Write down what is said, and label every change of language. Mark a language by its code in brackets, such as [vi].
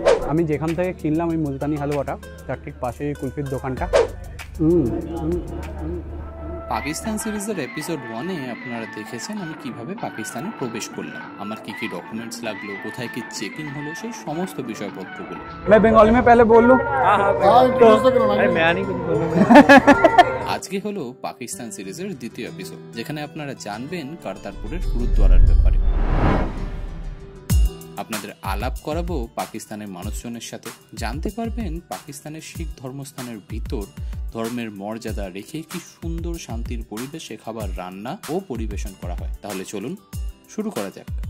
[bn] আমি যেখান থেকে কিনলাম ওই মুলতানি হালুয়াটা তার ঠিক পাশে ওই কুলফির দোকানটা পাকিস্তান সিরিজের এপিসোড 1 এ আপনারা দেখেছেন আমি কিভাবে পাকিস্তানে প্রবেশ করলাম আমার কি কি ডকুমেন্টস লাগলো কোথায় কি চেকিং হলো সেই সমস্ত বিষয়পত্রগুলো [hi] मैं बंगाली में पहले बोल लूं हां हां तो करो ना मैं नहीं कुछ बोलूंगा [bn] আজকে হলো পাকিস্তান সিরিজের দ্বিতীয় এপিসোড যেখানে আপনারা জানবেন কারতারপুরের গুরুদ্বারার ব্যাপারে আপনাদের আলাপ করাবো পাকিস্তানের মানুষজনের সাথে জানতে পারবেন পাকিস্তানের শিখ ধর্মস্থানের ভিতর ধর্মের মর্যাদা রেখে কি সুন্দর শান্তির পরিবেশে খাবার রান্না ও পরিবেশন করা হয় তাহলে চলুন শুরু করা যাক